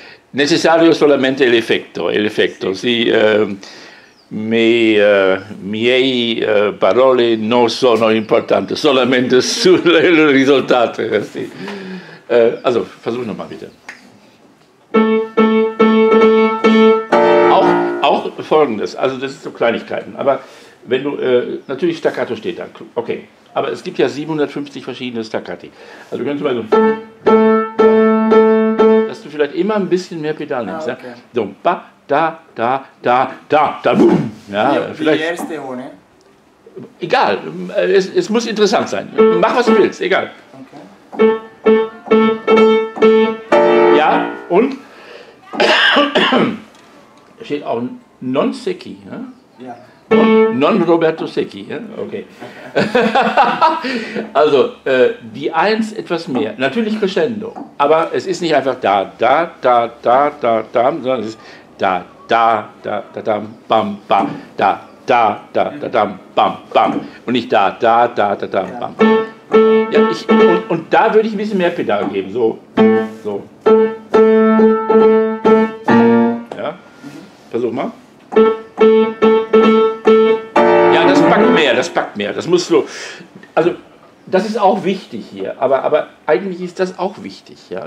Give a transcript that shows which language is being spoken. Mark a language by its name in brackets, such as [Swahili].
[Italian] Necessario solamente l'effetto, sì. Miei parole non sono importanti, solamente sulle risultate. Sì. [German] Also, versuch nochmal bitte. Auch folgendes, also das sind so Kleinigkeiten, aber wenn du, natürlich Staccato steht da, okay. Aber es gibt ja 750 verschiedene Staccati. Also könntest du mal so... dass du vielleicht immer ein bisschen mehr Pedal nimmst. Ah, okay. Ja? So, ba, da, da, da, da, da, boom. Ja, ja, vielleicht. Die erste ohne? Egal, es muss interessant sein. Mach, was du willst, egal. Okay. Ja, und? Steht auch Non-Secchi. Ne? Ja. Non Roberto Secchi, ja? Okay. Also, die Eins etwas mehr. Natürlich Crescendo, aber es ist nicht einfach da, da, da, da, da, da, sondern es ist da, da, da, da, da, bam, bam, da, da, da, da, da, bam, bam. Und nicht da, da, da, da, da, bam. Ja, und da würde ich ein bisschen mehr Pedal geben, so, so. Ja, versuch mal. Ja, das packt mehr, das packt mehr, das muss so. Also, das ist auch wichtig hier, aber eigentlich ist das auch wichtig, ja.